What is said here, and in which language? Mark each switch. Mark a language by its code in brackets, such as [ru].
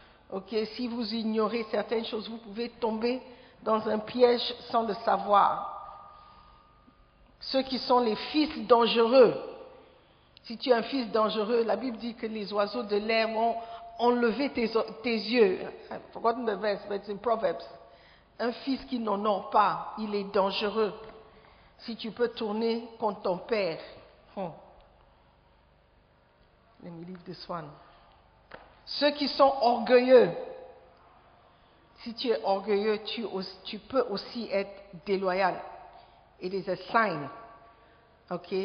[fr] Ok, si vous ignorez certaines choses, vous pouvez tomber dans un piège sans le savoir. Ceux qui sont les fils dangereux. Si tu es un fils dangereux, la Bible dit que les oiseaux de l'air vont enlever tes yeux. [en] I've forgotten the verse, but it's in Proverbs. [fr] Un fils qui n'honore pas, il est dangereux. Si tu peux tourner contre ton père. [en] Let me leave this one. [fr] Ceux qui sont orgueilleux. Si tu es orgueilleux, tu peux aussi être déloyal. [en] It is a sign. [fr] Ok?